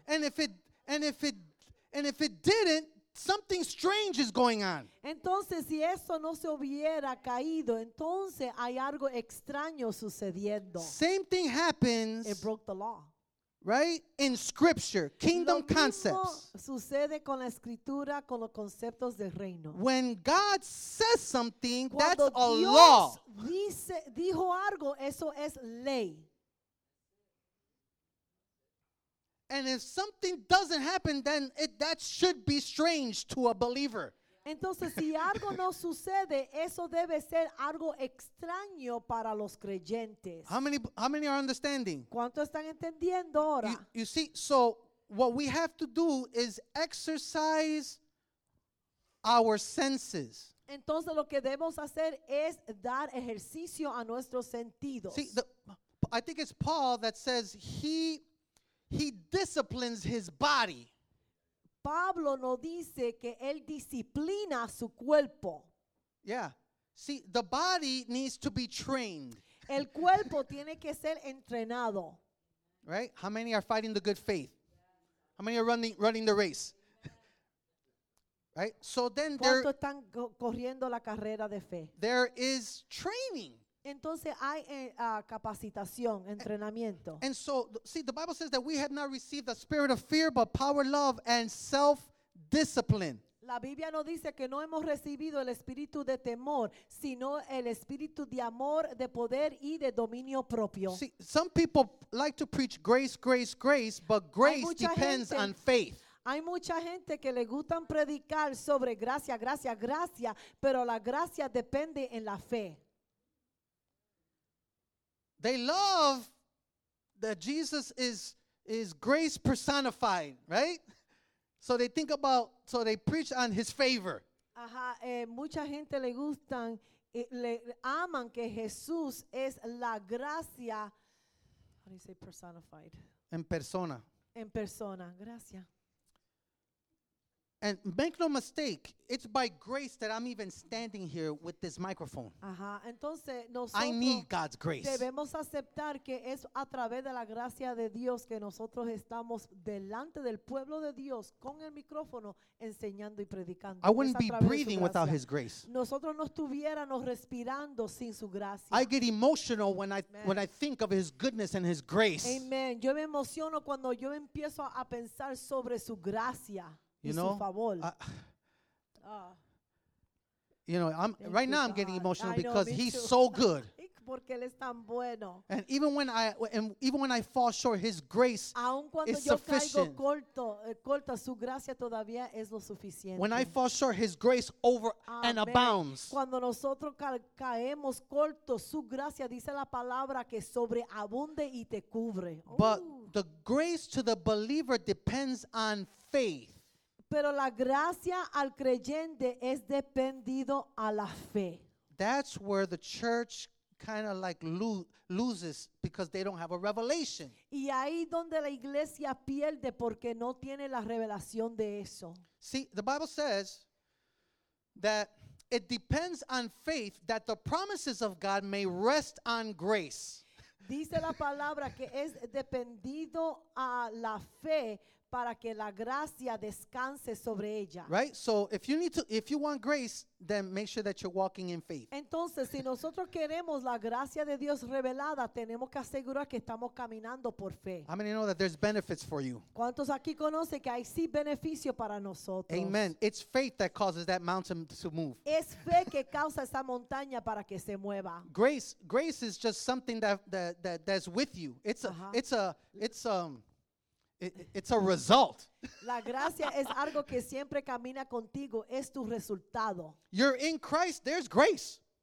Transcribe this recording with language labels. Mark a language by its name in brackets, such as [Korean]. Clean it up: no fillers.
[English] And if it didn't, something strange is going on. [Spanish] Entonces, si eso no se hubiera caído, entonces hay algo extraño sucediendo. [English] Same thing happens. It broke the law. Right? In scripture, kingdom concepts. [Spanish] Lo mismo sucede con la escritura, con los conceptos del reino. [English] When God says something, [Spanish] cuando [English] that's [Spanish] Dios [English] a law. [Spanish] Dijo algo, eso es ley. [English] And if something doesn't happen, then that should be strange to a believer. [Spanish] Entonces, si algo no sucede, eso debe ser algo extraño para los creyentes. [English] How many are understanding? [Spanish] ¿Cuántos están entendiendo ahora? [English] You see, so what we have to do is exercise our senses. [Spanish] Entonces, lo que debemos hacer es dar ejercicio a nuestros sentidos. [English] See, I think it's Paul that says he disciplines his body. [Spanish] Pablo no dice que él disciplina su cuerpo. [English] Yeah. See, the body needs to be trained. [Spanish] El cuerpo tiene que ser entrenado. [English] Right? How many are fighting the good faith? How many are running the race? Right? So then [Spanish] ¿cuántos están corriendo la carrera de fe? [English] There is training. [Spanish] Entonces hay capacitación, entrenamiento. [English] And so, see, the Bible says that we have not received the spirit of fear, but power, love, and self-discipline. [Spanish] La Biblia no dice que no hemos recibido el espíritu de temor, sino el espíritu de amor, de poder y de dominio propio. [English] See, some people like to preach grace, grace, grace, but grace depends on faith. [Spanish] Hay mucha gente que le gustan predicar sobre gracia, gracia, gracia, pero la gracia depende en la fe. [English] They love that Jesus is grace personified, right? So they think about, so they preach on his favor. [Spanish] Ajá, mucha gente le gustan, le aman que Jesús es la gracia. [English] How do you say personified? [Spanish] En persona. En persona, gracia. [English] And make no mistake, it's by grace that I'm even standing here with this microphone. [Spanish] Uh-huh. Entonces, nosotros [English] I need God's grace. [Spanish] Debemos aceptar que es a través de la gracia de Dios que nosotros estamos delante del pueblo de Dios con el micrófono enseñando y predicando. [English] I wouldn't be breathing without his grace. [Spanish] Nosotros no estuviéramos respirando sin su gracia. [English] I get emotional when I think of his goodness and his grace. Amen. [Spanish] Yo me emociono cuando yo empiezo a pensar sobre su gracia. [English] You know, I'm getting emotional because he's so good. [Spanish] Porque él es tan bueno. [English] And even when I fall short, his grace is sufficient. [Spanish] Aun cuando yo caigo corto, su gracia todavía es lo suficiente. [English] When I fall short, his grace over Amen. And abounds. [Spanish] Cuando nosotros caemos corto, su gracia dice la palabra que sobreabunde y te cubre. [English] But the grace to the believer depends on faith. [Spanish] Pero la gracia al creyente es dependido a la fe. [English] That's where the church kind of like loses because they don't have a revelation. [Spanish] Y ahí donde la iglesia pierde porque no tiene la revelación de eso. [English] See, the Bible says that it depends on faith that the promises of God may rest on grace. [Spanish] Dice la palabra que es dependido a la fe para que la gracia descanse sobre ella. [English] Right? So if you want grace, then make sure that you're walking in faith. [Spanish] Entonces, si nosotros queremos la gracia de Dios revelada, tenemos que asegurar que estamos caminando por fe. [English] How many know that there's benefits for you? [Spanish] ¿Cuántos aquí conocen que hay sí beneficio para nosotros? Amen. [English] It's faith that causes that mountain to move. [Spanish] Es fe que causa esa montaña para que se mueva. [English] Grace is just something that's with you. It's a result. [Spanish] La gracia es algo que siempre camina contigo. Es tu resultado. [English] You're in Christ, there's grace.